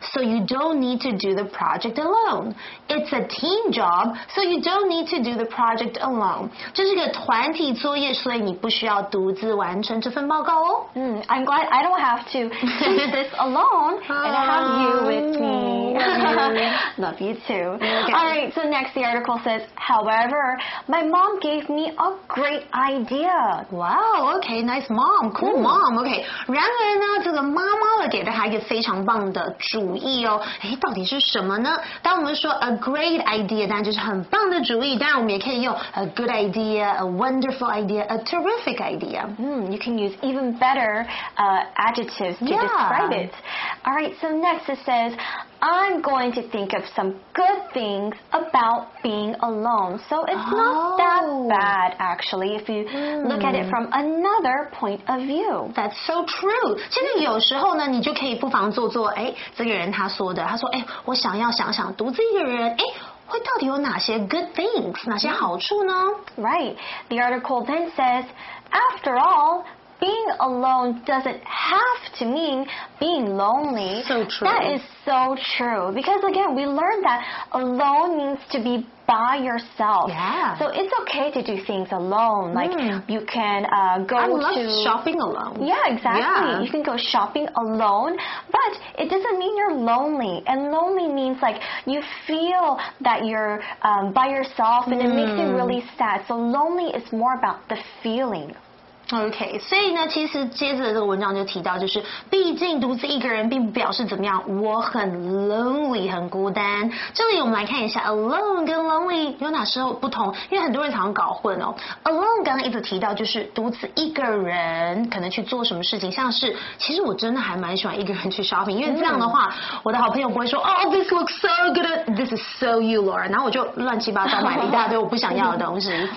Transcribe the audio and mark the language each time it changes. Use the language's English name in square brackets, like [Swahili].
[English] So you don't need to do the project alone. It's a team job. So you don't need to do the project alone. [Chinese] 这是个团体作业，所以你不需要独自完成这份报告哦。 [English] I'm glad I don't have to do this alone and have you with me. Love you too. Okay. All right. So next, the article says, however, my mom gave me a great idea. Wow. Okay. Nice mom. Cool mom. Okay. [Chinese] 然而呢，这个妈妈给了她一个非常棒的。主意哦，哎，到底是什么呢？当我们说 a great idea，当然就是很棒的主意。当然，我们也可以用 a good idea， a wonderful idea， a terrific idea。 [English] You can use even better adjectives to describe it. All right, so next it says. I'm going to think of some good things about being alone. So it's not that bad, actually, if you look at it from another point of view. That's so true. [Chinese] 其实有时候呢，你就可以不妨做做，哎，这个人他说的，他说，哎，我想要想想独自一个人，哎，会到底有哪些 good things, 哪些好处呢？ [English] Right. The article then says, after all,Being alone doesn't have to mean being lonely. So true. That is so true. Because again, we learned that alone means to be by yourself. Yeah. So it's okay to do things alone. Like you can go I love shopping alone. Yeah, exactly. Yeah. You can go shopping alone, but it doesn't mean you're lonely. And lonely means like you feel that you're by yourself and it makes you really sad. So lonely is more about the feeling. [Chinese] OK， 所以呢，其实接着这个文章就提到，就是毕竟独自一个人并不表示怎么样，我很 lonely， 很孤单。这里我们来看一下 alone 跟 lonely 有哪时候不同，因为很多人常常搞混哦。 alone 刚刚一直提到就是独自一个人，可能去做什么事情，像是其实我真的还蛮喜欢一个人去 shopping， 因为这样的话，我的好朋友不会说 Oh, this looks so good, this is so you, Laura，然后我就乱七八糟买了一大堆我不想要的东西。